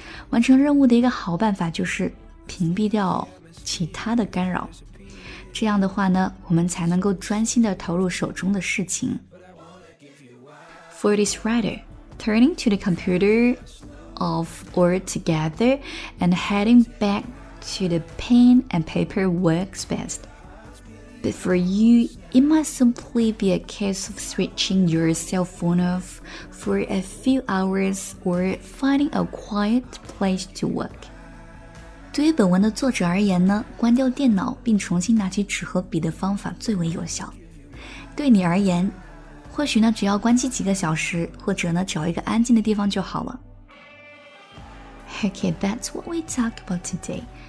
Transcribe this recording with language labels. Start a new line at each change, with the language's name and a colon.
Chinese: 完成任务的一个好办法就是屏蔽掉其他的干扰。这样的话呢，我们才能够专心地投入手中的事情。
English: For this writer, turning to the computer off altogether and heading back to the pen and paper works best. But for you, it might simply be a case of switching your cell phone off for a few hours or finding a quiet place to work.
Chinese: 对于本文的作者而言呢，关掉电脑并重新拿起纸和笔的方法最为有效。对你而言，或许呢只要关机几个小时，或者呢找一个安静的地方就好了。
English: Okay, that's what we talk about today.